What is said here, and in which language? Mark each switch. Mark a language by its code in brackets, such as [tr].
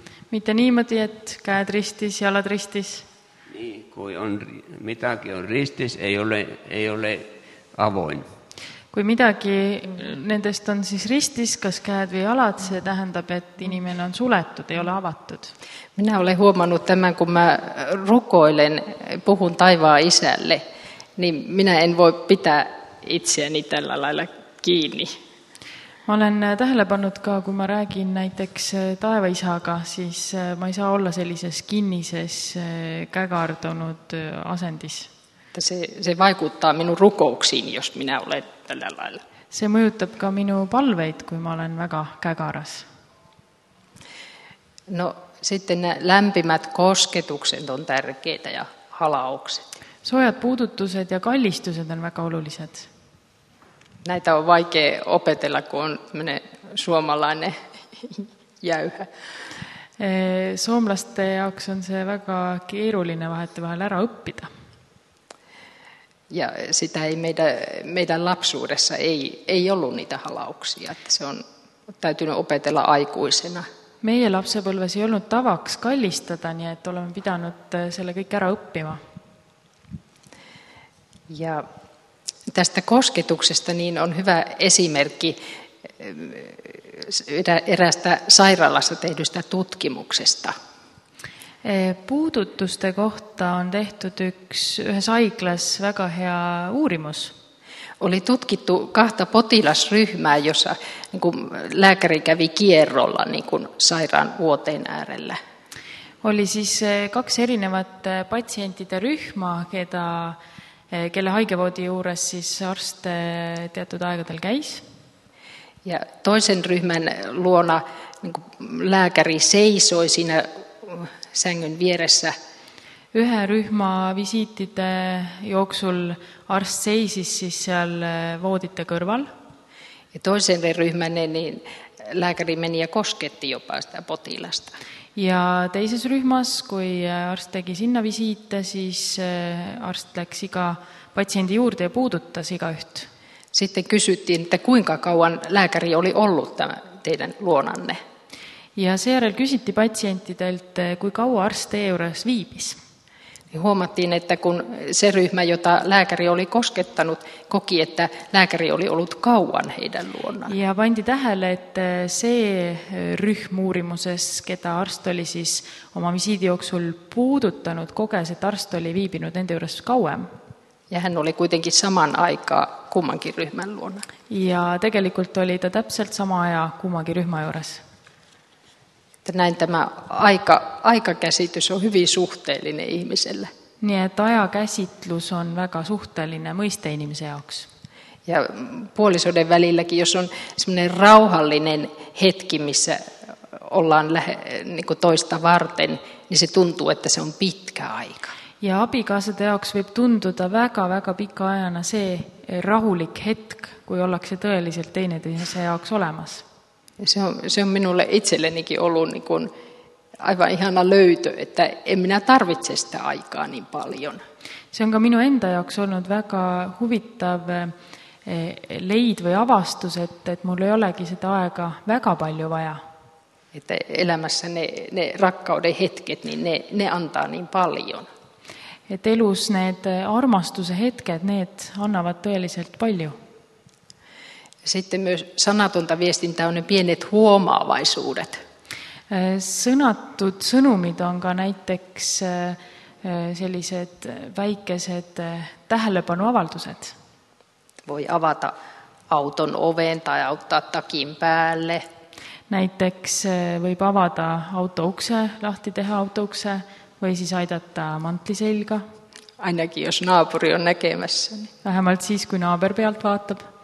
[et] Mitte niimoodi, et käed ristis, jalad ristis? Nii, kui on, midagi on ristis, ei ole avoin. Kui midagi nendest on siis ristis, kas käed või jalad, see tähendab, et inimene on suletud, ei ole avatud. [fi] Minä olen huomannut tämän, kun mä rukoilen, puhun taivaan isälle, niin minä en voi pitää itseäni tällä lailla kiinni. [et] Ma olen tähele pannud ka, kun ma räägin näiteks taevaisaga, siis ma ei saa olla sellises kinnises kägardunud asendis. [fi] Se vaikuttaa minun rukouksiin, jos minä olen tällä lailla. [et] See mõjutab ka minu palveid, kui ma olen väga kägaras. [fi] No sitten lämpimät kosketukset on tärkeitä ja halaukset. [et] Soojad puudutused ja kallistused on väga olulised. [fi] Näitä on vaikea opetella, kun on tämmöinen suomalainen jäyhä. [et] Soomlaste jaoks on see väga keeruline vahetu vahel ära õppida. [fi] Ja sitä ei meidän lapsuudessa ei ollut niitä halauksia, että se on täytynyt opetella aikuisena. [et] Meie lapsepõlves ei olnud tavaks kallistada, nii et oleme pidanud selle kõik ära õppima. [fi] Ja tästä kosketuksesta niin on hyvä esimerkki eräästä sairaalassa tehdystä tutkimuksesta. [et] Puudutuste kohta on tehtud ühes haiglas väga hea uurimus. [fi] oli tutkittu kahta potilasryhmää, jossa niin kuin lääkäri kävi kierrolla niin kuin sairaan vuoteen äärellä. [et] Oli siis kaks erinevat patsientide rühma, kelle haigevoodi juures siis arst teatud aegadel käis. [fi] Ja toisen ryhmän luona niin kuin lääkäri seisoi siinä sängyn vieressä. [et] Ühe ryhma visiitide jooksul arst seisis siis seal voodite kõrval. [fi] Ja toisen ryhmän niin lääkäri meni ja kosketti jopa sitä potilasta. [et] Ja teises ryhmas, kui arst tegi sinna visiite, siis arst läks iga patsiendi juurde ja puudutas iga üht. [fi] Sitten kysyttiin, että kuinka kauan lääkäri oli ollut tämä teidän luonanne. [et] Ja seejärel küsiti patsientidelt, kui kaua arst teie juures viibis. [fi] Huomattiin, että kun se ryhmä, jota lääkäri oli koskettanut, koki, että lääkäri oli ollut kauan heidän luonaan. [et] Ja pandi tähele, et see ryhm uurimuses, keda arst oli siis oma visiidi jooksul puudutanud, koges, et arst oli viibinud nende juures kauem. [fi] Ja hän oli kuitenkin saman aikaa kummankin ryhmän luona. [et] Ja tegelikult oli ta täpselt sama aja kummankin ryhmä juures. [fi] Näin tämä aikakäsitys on hyvin suhteellinen ihmiselle. [et] Niin, että ajakäsitlus on väga suhteellinen mõiste ihmisen jaoks. [fi] Ja puolisoiden välilläkin, jos on semmoinen rauhallinen hetki, missä ollaan niin toista varten, niin se tuntuu, että se on pitkä aika. [et] Ja abikaasade jaoks võib tunduda väga pika ajana see rahulik hetk, kui ollakse tõeliselt teineteise jaoks olemas. [fi] Se on minulle itsellenikin ollut niin kuin aivan ihana löytö, että en minä tarvitse sitä aikaa niin paljon. [et] Se on ka minu enda jaoks olnud väga huvitav leid või avastus, et mul ei olegi seda aega väga palju vaja. [fi] Et elämässä ne rakkauden hetket, niin ne antaa niin paljon. [et] Et elus need armastuse hetked, need annavad tõeliselt palju. [fi] Sitten myös sanatonta viestintä on ne pienet huomaavaisuudet. [et] Sõnatud sõnumid on ka näiteks sellised väikesed tähelepanuavaldused. [fi] Voi avata auton oven tai auttaa takin päälle. [et] Näiteks võib avada autoukse, lahti teha autoukse või siis aidata mantliselga. [fi] Ainakin jos naapuri on näkemässä. [et] Vähemalt siis kui naaber pealt vaatab.